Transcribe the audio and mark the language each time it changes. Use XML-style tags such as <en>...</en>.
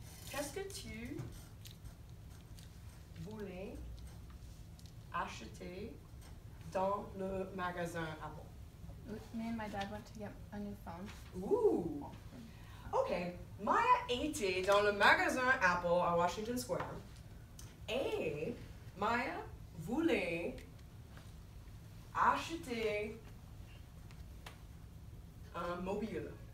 <fr>Qu'est-ce que tu voulais acheter dans le magasin Apple?</fr> <en>Me and my dad went to get a new phone. Ooh. Okay.</en> <fr>Maya était dans le magasin Apple à Washington Square. Et Maya voulait acheter un mobile.</fr>